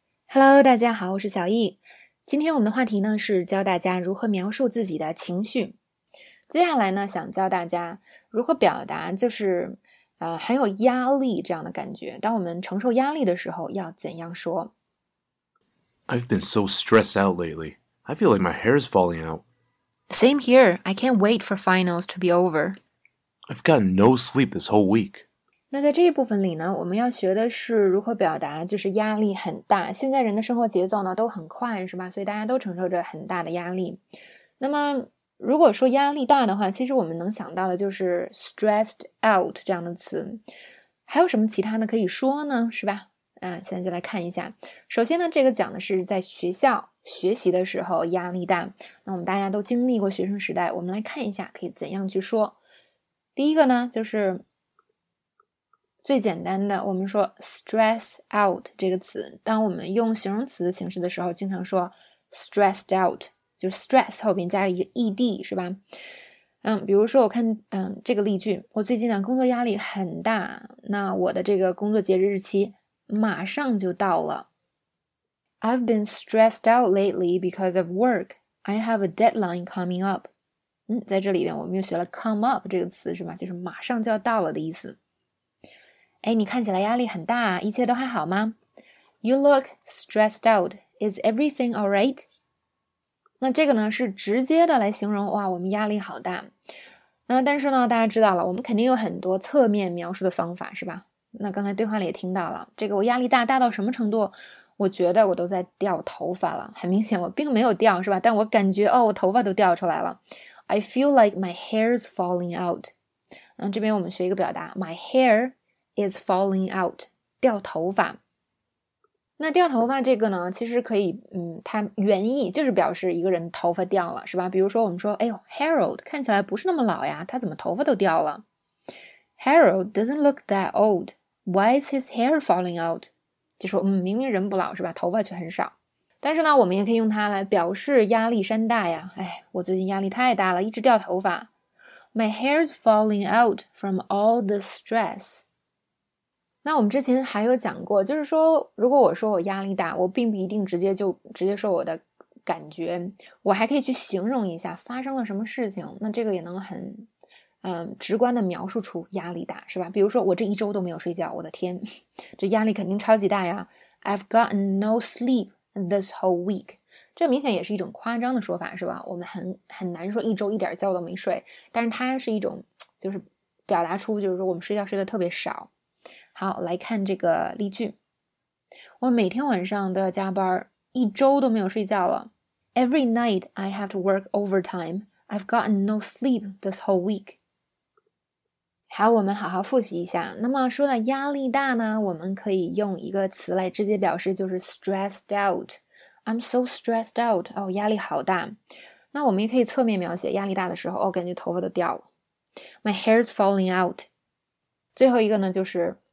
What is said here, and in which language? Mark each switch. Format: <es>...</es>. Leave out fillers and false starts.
<zh>Hello，大家好，我是小易。今天我们的话题呢是教大家如何描述自己的情绪。接下来呢，想教大家如何表达，就是很有压力这样的感觉。当我们承受压力的时候，要怎样说？</zh> <en>I've been so stressed out lately. I feel like my hair is falling out. Same here. I can't wait for finals to be over. I've gotten no sleep this whole week.</en> <zh>那在这一部分里呢，我们要学的是如何表达，就是压力很大。现在人的生活节奏呢都很快，是吧？所以大家都承受着很大的压力。那么如果说压力大的话，其实我们能想到的就是 stressed out 这样的词。还有什么其他的可以说呢？是吧？现在就来看一下。首先呢，这个讲的是在学校学习的时候压力大。那我们大家都经历过学生时代，我们来看一下可以怎样去说。第一个呢，就是。最简单的，我们说 stress out 这个词，当我们用形容词的形式的时候，经常说 stressed out，就 stress 后边加一个 ed，是吧？比如说我看，这个例句，我最近呢工作压力很大，那我的这个工作截止日期马上就到了。</zh> <en>I've been stressed out lately because of work. I have a deadline coming up。</en> <zh>在这里边我们又学了 come up 这个词，是吧？就是马上就要到了的意思。哎，你看起来压力很大啊，一切都还好吗？</zh> <en>You look stressed out. Is everything all right?</en> <zh>那这个呢，是直接的来形容，哇，我们压力好大。那但是呢，大家知道了，我们肯定有很多侧面描述的方法，是吧？那刚才对话里也听到了，这个我压力大大到什么程度？我觉得我都在掉头发了，很明显我并没有掉，是吧？但我感觉哦，我头发都掉出来了。</zh> <en>I feel like my hair is falling out。</en> <zh>那这边我们学一个表达，my hair。</zh> <en>is falling out，掉头发。</en> <zh>那掉头发这个呢，其实可以，它原意就是表示一个人头发掉了，是吧？比如说我们说，哎呦，Harold 看起来不是那么老呀，他怎么头发都掉了？</zh> <en>Harold doesn't look that old. Why is his hair falling out？</en> <zh>就说，明明人不老是吧，头发却很少。但是呢，我们也可以用它来表示压力山大呀。哎，我最近压力太大了，一直掉头发。</zh> <en>My hair's falling out from all the stress.</en> <zh>那我们之前还有讲过，就是说，如果我说我压力大，我并不一定直接说我的感觉，我还可以去形容一下发生了什么事情，那这个也能很，直观的描述出压力大，是吧？比如说我这一周都没有睡觉，我的天，这压力肯定超级大呀！</zh> <en>I've gotten no sleep this whole week。</en> <zh>这明显也是一种夸张的说法，是吧？我们很难说一周一点觉都没睡，但是它是一种就是表达出就是说我们睡觉睡得特别少。好，来看这个例句。我每天晚上都要加班，一周都没有睡觉了。</zh> <en>Every night I have to work overtime. I've gotten no sleep this whole week.</en> <zh>好，我们好好复习一下。那么说到压力大呢，我们可以用一个词来直接表示，就是 stressed out.</zh> <en>I'm so stressed out.</en> <zh>哦，压力好大。那我们也可以侧面描写压力大的时候，哦，感觉头发都掉了。</zh> <en>My hair's falling out.</en> <zh>最后一个呢，就是。</zh>